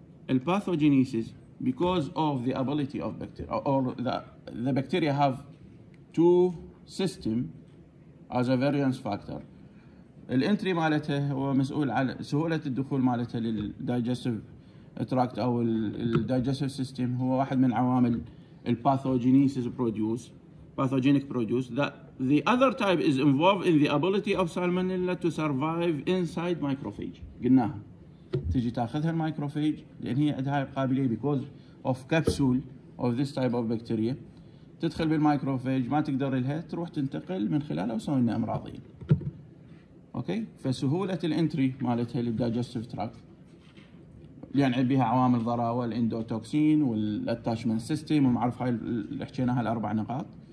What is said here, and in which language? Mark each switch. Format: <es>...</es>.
<en>الباثوجينيسيس because of the ability of bacteria or the bacteria have to system as a variance factor.</en> <ar>الانتري مالتها هو مسؤول على سهولة الدخول مالتها للدايجستيف تراكت او الدايجستيف سيستم، هو واحد من عوامل الباثوجينيسيس بروديوس، باثوجينيك بروديوس.</ar> <en>The other type is involved in the ability of salmonella to survive inside microphage.</en> <ar>قلناها تجي تاخذها المايكروفيج لان هي عندها قابلية</ar> <en>because of capsule of this type of bacteria.</en> <ar>تدخل بالمايكروفاج ما تقدر لها، تروح تنتقل من خلالها وسوي لنا امراضيه. اوكي، فسهوله الانتري مالتها للدايجستيف تراك لان يعني بيها عوامل ضراوه، الاندوتوكسين والاتاشمنت سيستم، ومعرف هاي اللي حكيناها الاربع نقاط.</ar>